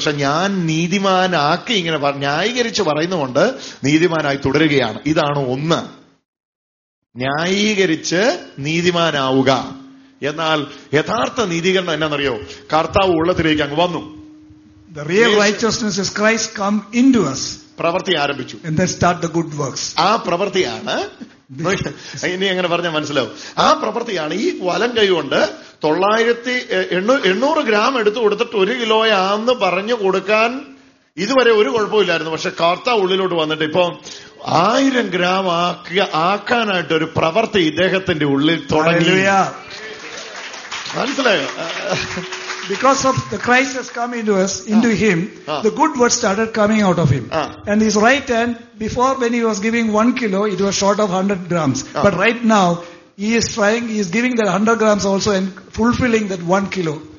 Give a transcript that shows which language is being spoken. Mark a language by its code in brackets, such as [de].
[ml] പക്ഷെ ഞാൻ നീതിമാനാക്കി ഇങ്ങനെ ന്യായീകരിച്ച് പറയുന്നതുകൊണ്ട് നീതിമാനായി തുടരുകയാണ്. ഇതാണ് ഒന്ന്, ന്യായീകരിച്ച് നീതിമാനാവുക. എന്നാൽ യഥാർത്ഥ നീതീകരണം എന്നാണെന്നറിയോ? കർത്താവ് ഉള്ളത്തിലേക്ക് അങ്ങ് വന്നു. [en] The real righteousness is Christ come into us. [ml] പ്രവൃത്തി ആരംഭിച്ചു. [en] And then start the good works. [ml] ആ പ്രവൃത്തിയാണ്, ഇനി എങ്ങനെ പറഞ്ഞാൽ മനസ്സിലാവും, ആ പ്രവൃത്തിയാണ്. ഈ വലം കൈകൊണ്ട് 900 grams എടുത്തു കൊടുത്തിട്ട് 1 kilo പറഞ്ഞു കൊടുക്കാൻ ഇതുവരെ ഒരു കുഴപ്പമില്ലായിരുന്നു. പക്ഷെ കർത്താ ഉള്ളിലോട്ട് വന്നിട്ട് ഇപ്പം 1000 grams ആക്കാനായിട്ട് ഒരു പ്രവൃത്തി ഇദ്ദേഹത്തിന്റെ ഉള്ളിൽ തുടങ്ങി. മനസ്സിലായോ? [en] Because of the Christ has come into us, into him, the good word started coming out of him. And his right hand, before when he was giving 1 kilo, it was short of 100 grams. But right now, he is trying, he is giving that 100 grams also and fulfilling that 1 kilo.